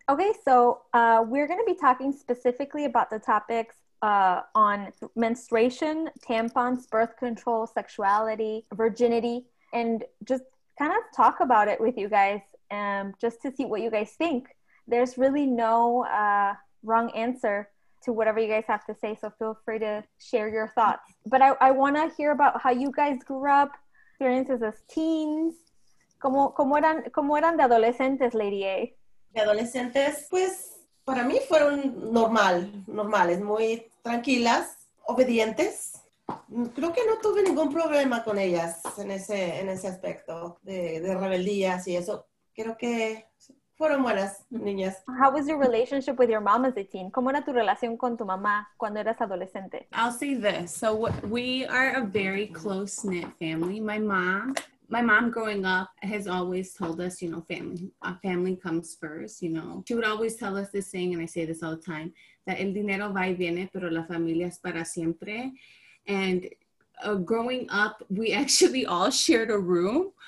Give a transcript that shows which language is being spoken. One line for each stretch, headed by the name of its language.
English: Okay, so we're going to be talking specifically about the topics on menstruation, tampons, birth control, sexuality, virginity, and just kind of talk about it with you guys, just to see what you guys think. There's really no wrong answer to whatever you guys have to say, so feel free to share your thoughts. But I want to hear about how you guys grew up, experiences as teens.
Spanish: ¿Cómo eran de adolescentes, Lady A? De adolescentes, pues, para mí fueron normales, muy tranquilas, obedientes. Creo que no tuve ningún problema con ellas en ese aspecto de rebeldías y eso. Creo que fueron buenas niñas.
English: How was your relationship with your mom as a teen?
Spanish: ¿Cómo era tu relación con tu mamá cuando eras adolescente?
English: I'll say this. So we are a very close-knit family. My mom growing up has always told us, you know, family comes first, you know. She would always tell us this thing, and I say this all the time, that
Spanish: el dinero va y viene, pero la familia es para siempre.
English: And growing up, we actually all shared a room.